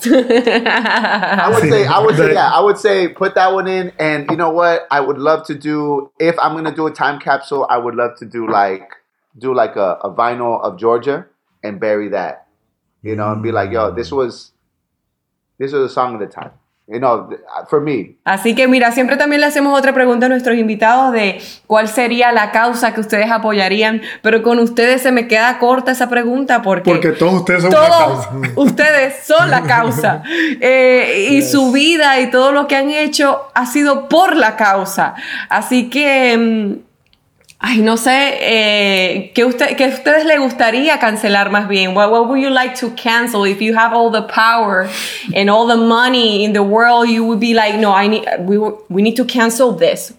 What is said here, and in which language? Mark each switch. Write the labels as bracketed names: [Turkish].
[English] I would say put that one in. And you know what? I would love to do, if I'm going to do a time capsule, I would love to do like a vinyl of Georgia and bury that, you know, and be like, yo, this was a song of the time. You know, for me. [Spanish] Así que mira, siempre también le hacemos otra pregunta a nuestros invitados de cuál sería la causa que ustedes apoyarían, pero con ustedes se me queda corta esa pregunta porque todos ustedes son todos la causa. Ustedes son la causa. Y yes. Su vida y todo lo que han hecho ha sido por la causa. Así que, ay, no sé, ¿qué a ustedes les gustaría cancelar más bien? [English] What would you like to cancel if you have all the power and all the money in the world? You would be like, no, we need to cancel this.